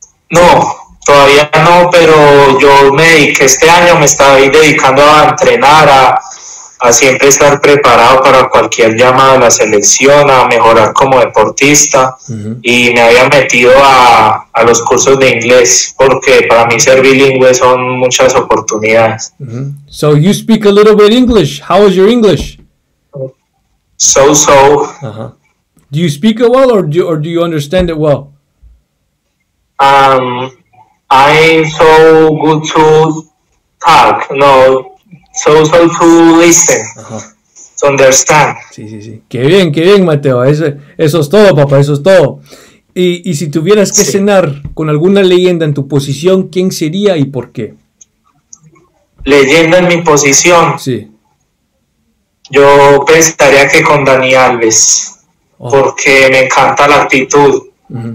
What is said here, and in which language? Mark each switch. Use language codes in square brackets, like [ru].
[es] No, todavía no, pero yo me dediqué este año, me estaba ahí dedicando a entrenar, a siempre estar preparado para cualquier llamada a la selección, a mejorar como deportista, y me había metido a los cursos de inglés, porque para mí ser bilingüe son muchas oportunidades. [en] So you speak a little bit English. How is your English? So-so. Do you speak it well or do you understand it well? I'm so good to talk. No, so to listen. understand. [es] Sí. Qué bien, Mateo. Eso es todo, papá, eso es todo. Y si tuvieras que cenar con alguna leyenda en tu posición, ¿quién sería y por qué? Leyenda en mi posición. Sí. Yo pensaría que con Dani Alves, porque me encanta la actitud. Uh-huh.